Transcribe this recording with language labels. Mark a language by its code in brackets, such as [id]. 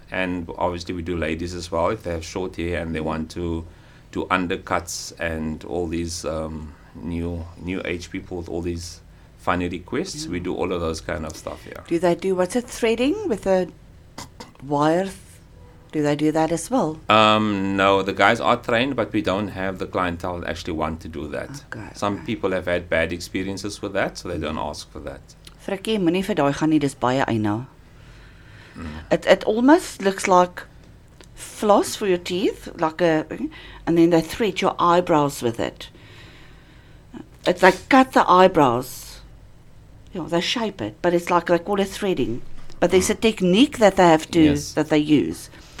[en] And obviously we do ladies as well, if they have short hair and they want to do undercuts and all these new age people with all these funny requests, we do all of those kind of stuff here. Do they do, what's it, threading with a wire? Do they do that as well? No, the guys are trained, but we don't have the clientele that actually want to do that. Okay, some okay. people have had bad experiences with that, so they don't ask for that. [af] Frikkie, moenie vir daai gaan nie, dis baie eina. [en] It almost looks like floss for your teeth, like a, and then they thread your eyebrows with it. It's like cut the eyebrows. You know, they shape it, but it's like they call it threading. But there's a technique that they have to that they use.